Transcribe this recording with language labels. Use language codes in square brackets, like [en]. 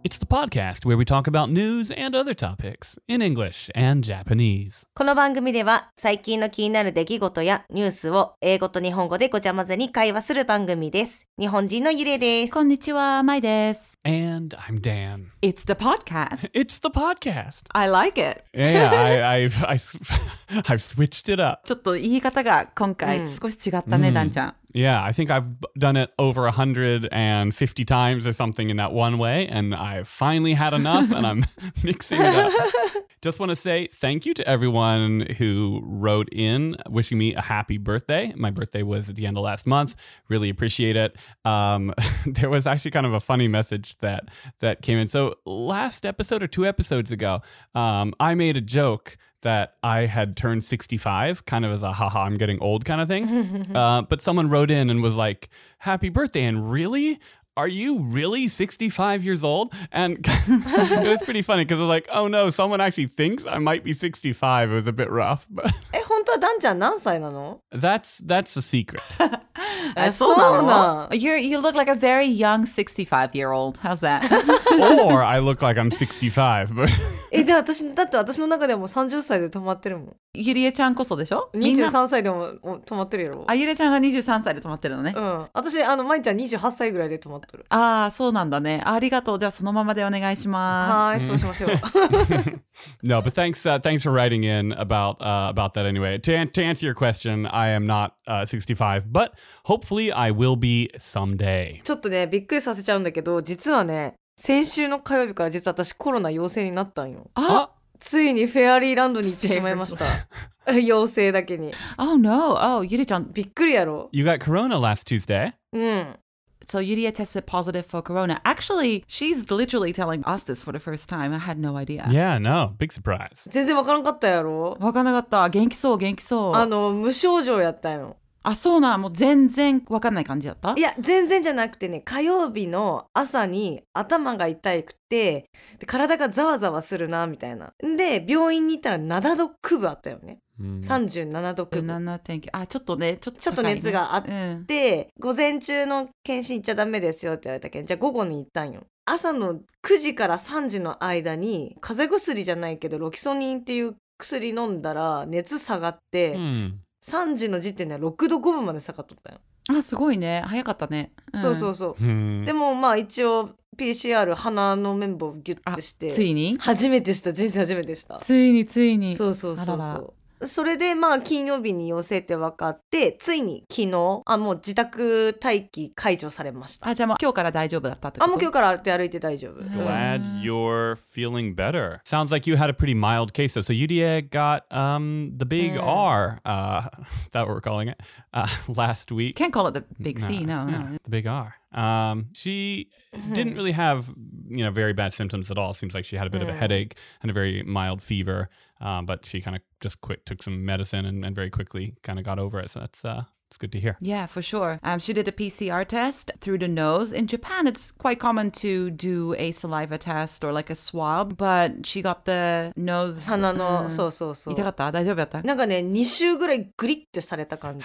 [en] It's the podcast where we talk about news and other topics in English and Japanese. [ja] この番組では最近の気になる出来事やニュースを英語と日本語でごちゃ混ぜに会話する番組です。日本人のゆれです。こんにちは、まいです。 [en] And I'm Dan. It's the podcast. It's the podcast. I like it. Yeah, I've switched it up. [ja] ちょっと言い方が今回少し違ったね、ダンちゃん。 [en] Yeah, I think I've done it over 150 times or something in that one way, and I've finally had enough, and I'm mixing it up. Just want to say thank you to everyone who wrote in wishing me a happy birthday. My birthday was at the end of last month. Really appreciate it. There was actually kind of a funny message that came in. So last episode or two episodes ago, I made a joke that I had turned 65, kind of as a haha, I'm getting old kind of thing. But someone wrote in and was like, happy birthday. And really? Are you really 65 years old? And it was pretty funny because I was like, oh no, someone actually thinks I might be 65. It was a bit rough. [ja] え、本当はダンちゃん何歳なの? [en] That's a secret. [ja] そうなの? [en] You look like a very young 65 year old. How's that? Or I look like I'm 65. But [ja] え、でも私、だって私の中でも30歳で止まってるもん。ゆりえちゃんこそでしょ 23歳でも止まってるやろあゆりえちゃんが23歳で止まってるのねうん私あのまいちゃん28歳ぐらいで止まってるああそうなんだねありがとうじゃあそのままでお願いしますはいそうしましょう [en] No, but thanks for writing in about that anyway. To answer your question, I am not 65, but hopefully I will be someday. [ja] ちょっとねびっくりさせちゃうんだけど実はね先週の火曜日から実は私コロナ陽性になったんよあついにフェアリーランドに行ってしまいました。陽性だけに。 [en] Oh no! Oh, ゆりちゃん、 [ja] びっくりやろ。 [en] You got corona last Tuesday? うん。 So Yuria tested positive for corona. Actually, she's literally telling us this for the first time. I had no idea. Yeah, no. Big surprise. [ja] 全然わからなかったやろ。わからなかった。元気そう、元気そう。あの、無症状やったよ。あ、そうな。もう全然わかんない感じだった？いや、全然じゃなくてね、火曜日の朝に頭が痛くて、で体がざわざわするな、みたいな。で、病院に行ったら7度9分あったよね。 37度9 分。37.9。あ、ちょっとね、ちょっと熱があって、うん、午前中の検診行っちゃダメですよって言われたけど、じゃあ午後に行ったんよ。朝の9時から3時の間に、風邪薬じゃないけど、ロキソニンっていう薬飲んだら熱下がって、うん 3時の時点で6度5分まで下がっとったよ。あ、すごいね。早かったね。うん、そうそうそう。でもまあ一応 PCR 鼻の綿棒をギュッとして。ついに初めてした。人生初めてした。ついについに。そうそうそうそう。それでまあ金曜日に陽性って分かって、ついに昨日、あ、もう自宅待機解除されました。あ、じゃあもう今日から大丈夫だったってこと？あ、もう今日から歩いて大丈夫。 [en] Glad you're feeling better. Sounds like you had a pretty mild case though. So Yuria got the big R, is that what we're calling it, last week. Can't call it the big C, no. The big R. She didn't really have, you know, very bad symptoms at all. Seems like she had a bit of a headache and a very mild fever. But she kind of just quit, took some medicine and very quickly kind of got over it. So that's good to hear. Yeah, for sure. She did a PCR test through the nose. In Japan, it's quite common to do a saliva test or like a swab, but she got the nose. [ja] 鼻の、そうそうそう。痛かった？大丈夫だった？なんかね、2週ぐらいグリッてされた感じ。